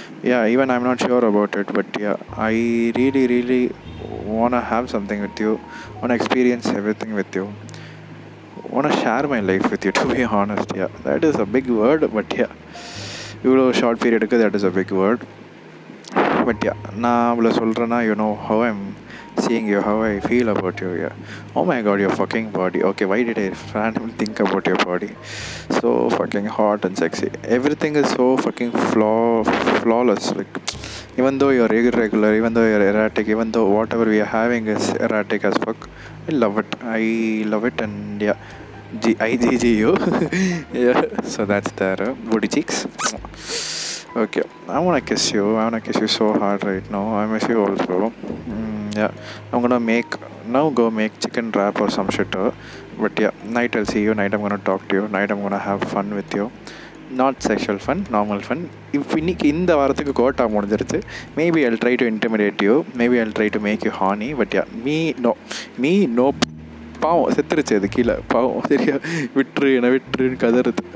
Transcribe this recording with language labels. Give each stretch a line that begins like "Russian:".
English: Yeah, even I am not sure about it, but yeah, I really really want have something with you, want experience everything with you, want share my life with you, to be honest. Yeah, that is a big word, but yeah,
Tamil: இவ்வளோ
English: Short பீரியடுக்கு that is a big word. But yeah,
Tamil: நான் அவ்வளோ சொல்கிறேன்னா,
English: You know how I am seeing you, how I feel about you. Yeah, oh my god, your fucking body. Okay, why did I randomly think about your body? So fucking hot and sexy. Everything is so fucking flawless. Like, even though you're irregular, even though you're erratic, even though whatever we are having is erratic as fuck, I love it. And yeah, IGGU. Yeah, so that's there. Booty cheeks. Okay, I wanna kiss you so hard right now. I miss you also. Yeah, I'm gonna make, now go make chicken wrap or some shit. But yeah, night I'll see you, night I'm gonna talk to you, night I'm gonna have fun with you. Not sexual fun, normal fun. If we need in the
Tamil: varathuku quota mudinjiruchu,
English: maybe I'll try to intimidate you, maybe I'll try to make you horny. But yeah, me nope.
Tamil: பாவம் செத்துருச்சு அது கீழே, பாவம் சரியா விட்டுரு என விட்டுருன்னு கதறுது.